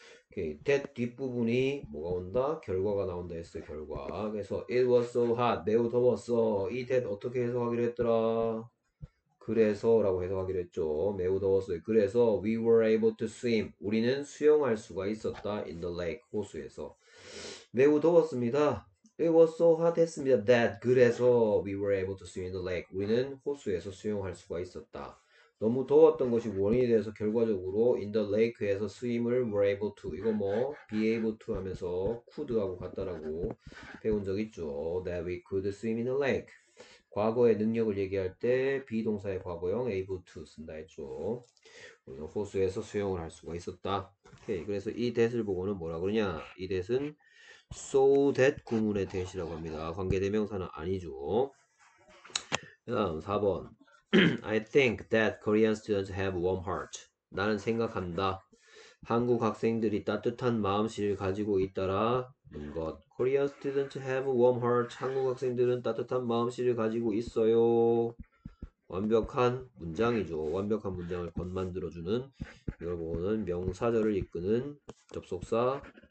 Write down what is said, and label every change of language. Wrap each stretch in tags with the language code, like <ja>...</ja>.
<ko>Okay. That 뒷부분이 뭐가 온다? 결과가 나온다 했어요. 결과. 그래서</ko> <en>It was so hot.</en> <ko>매우 더웠어. 이 that 어떻게 해석하기로 했더라? 그래서라고 해석하기로 했죠. 매우 더웠어요. 그래서</ko> <en>We were able to swim.</en> <ko>우리는 수영할 수가 있었다.</ko> <en>In the lake.</en> <ko>호수에서. 매우 더웠습니다.</ko> <en>It was so hot 했습니다. That 그래서 we were able to swim in the lake.</en> <ko>우리는 호수에서 수영할 수가 있었다. 너무 더웠던 것이 원인이 돼서 결과적으로 in the lake에서 swim을 were able to 이거 뭐 be able to 하면서 could하고 같다라고 배운 적 있죠.</ko> <en>That we could swim in the lake.</en> <ko>과거의 능력을 얘기할 때 be 동사의 과거형 able to 쓴다 했죠. 우리는 호수에서 수영을 할 수가 있었다. 오케이. 그래서 이 that을 보고는 뭐라 그러냐? 이 that은 So that 구문의 that이라고 합니다. 관계대명사는 아니죠. 그다음 4번.</ko> <en>I think that Korean students have warm heart.</en> <ko>나는 생각한다. 한국 학생들이 따뜻한 마음씨를 가지고 있다라는 것.</ko> <en>Korean students have warm heart.</en> <ko>한국 학생들은 따뜻한 마음씨를 가지고 있어요. 완벽한 문장이죠. 완벽한 문장을 겉만들어 주는 이거는 명사절을 이끄는 접속사.</ko>